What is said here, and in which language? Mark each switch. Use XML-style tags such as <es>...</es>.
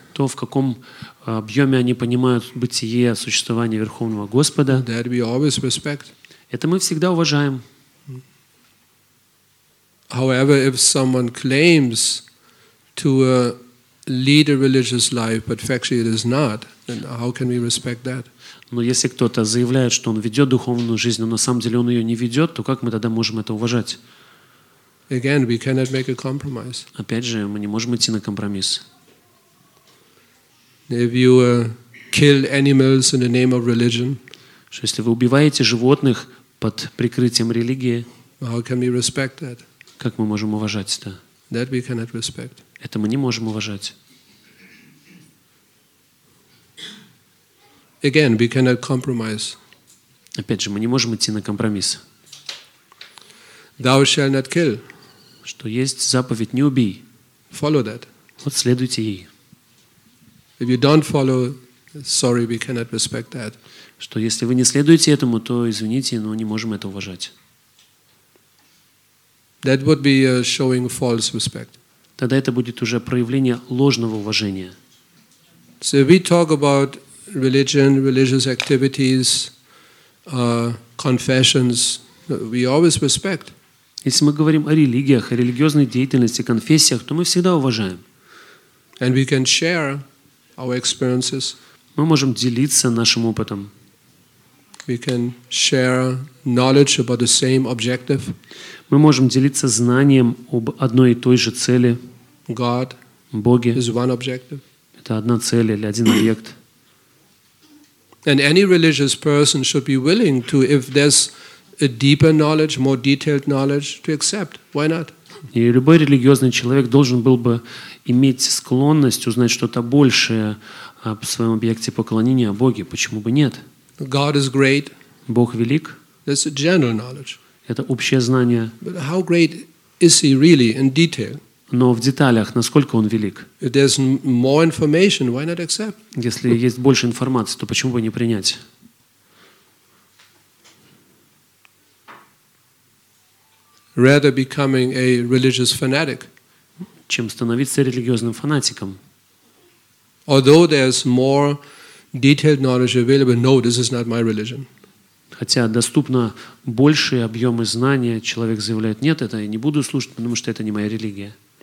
<ru>То, в каком объеме они понимают бытие, существование Верховного Господа.</ru> <en>That we always respect.</en> <ru>Это мы всегда уважаем.</ru> <en>However, if someone claims to lead a religious life, but factually it is not, then how can we respect that?</en> <ru>Но если кто-то заявляет, что он ведет духовную жизнь, но на самом деле он ее не ведет, то как мы тогда можем это уважать?</ru> <en>Again, we cannot make a compromise.</en> <ru>Опять же, мы не можем идти на компромисс.</ru> <en>If you kill animals in the name of religion,</en> <ru>что если вы убиваете животных под прикрытием религии,</ru> <en>how can we respect that?</en> <ru>Как мы можем уважать это?</ru> <en>That we cannot respect.</en> <ru>Это мы не можем уважать.</ru> <en>Again, we cannot compromise.</en> <ru>Опять же, мы не можем идти на компромисс.</ru> <en>Thou shalt not kill.</en> <ru>Что есть заповедь «Не убей».</ru> <en>Follow that.</en> <ru>Вот следуйте ей.</ru> <en>If you don't follow, sorry, we cannot respect that.</en> <ru>Что если вы не следуете этому, то извините, но не можем это уважать.</ru> <en>That would be showing false respect.</en> <ru>Тогда это будет уже проявление ложного уважения.</ru> <en>So we talk about religion, religious activities, confessions, we always respect.</en> <ru>Если мы говорим о религиях, о религиозной деятельности, конфессиях, то мы всегда уважаем.</ru> <en>And we can share our experiences.</en> <ru>Мы можем делиться нашим опытом.</ru> <en>We can share knowledge about the same objective.</en> <ru>Мы можем делиться знанием об одной и той же цели.</ru> <en>God,</en> <ru>Боге.</ru> <en>Is one objective.</en> <ru>Это одна цель или один объект.</ru> <en>And any religious person should be willing to, if there's a deeper knowledge, more detailed knowledge to accept. Why not?</en> <ru>И любой религиозный человек должен был бы иметь склонность узнать что-то большее об своем объекте поклонения, о Боге. Почему бы нет?</ru> <en>God is great.</en> <ru>Бог велик.</ru> <en>That's a general knowledge.</en> <ru>Это общее знание.</ru> <en>But how great is he really in detail?</en> <ru>Но в деталях, насколько он велик?</ru> <en>If there's more information, why not accept?</en> <ru>Если есть больше информации, то почему бы не принять?</ru> <en>Rather becoming a religious fanatic.</en> <ru>Чем становиться религиозным фанатиком.</ru> <en>Although there's more detailed knowledge available, no, this is not my religion.</en> <ru>Хотя доступно большие объемы знания, человек заявляет, нет, это я не буду слушать, потому что это не моя религия.</ru>